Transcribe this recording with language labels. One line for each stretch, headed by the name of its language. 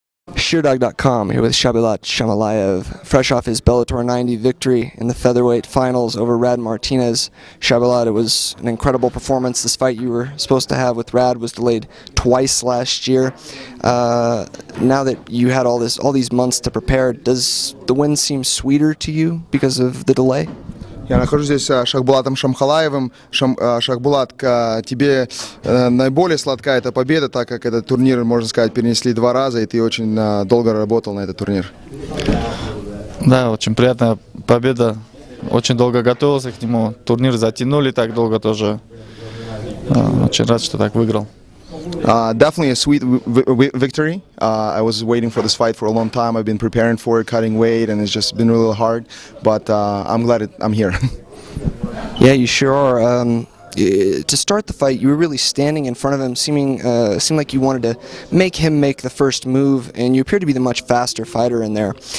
English: Sheerdog.com here with Shahbulat Shamhalaev, fresh off his Bellator 90 victory in the featherweight finals over Rad Martinez. Shahbulat, it was an incredible performance. This fight you were supposed to have with Rad was delayed twice last year. Now that you had all these months to prepare, does the win seem sweeter to you because of the delay?
Russian: Я нахожусь здесь с Шахбулатом Шамхалаевым. Шахбулат, тебе наиболее сладка эта победа, так как этот турнир, можно сказать, перенесли два раза, и ты очень долго работал на этот турнир. Да, очень приятная победа. Очень долго готовился к нему. Турнир затянули так долго тоже. Очень рад, что так выиграл.
English: Definitely a sweet victory. I was waiting for this fight for a long time. I've been preparing for it, cutting weight, and it's just been a little hard. But I'm glad I'm here. Yeah, you sure are. To start the fight, you were really standing in front of him, seemed like you wanted to make him make the first move, and you appeared to be the much faster fighter in there.